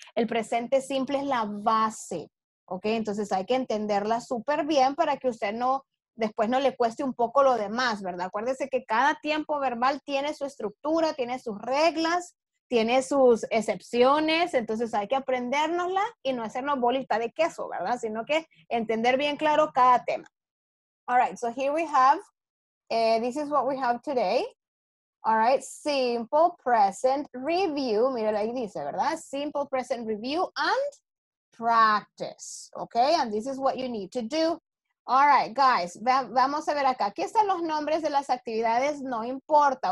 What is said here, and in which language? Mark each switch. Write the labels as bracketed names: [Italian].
[Spanish] El presente simple es la base. ¿Ok? Entonces hay que entenderla súper bien para que usted no, después no le cueste un poco lo demás, ¿verdad? Acuérdese que cada tiempo verbal tiene su estructura, tiene sus reglas, tiene sus excepciones, entonces hay que aprendérnosla y no hacernos bolita de queso, ¿verdad? Sino que entender bien claro cada tema. [English] All right, so here we have, this is what we have today. All right, simple present review. [Spanish] Mira, ahí dice, ¿verdad? [English] Simple present review and practice, okay? And this is what you need to do. All right, guys, [Spanish] vamos a ver acá. Aquí están los nombres de las actividades, no importa.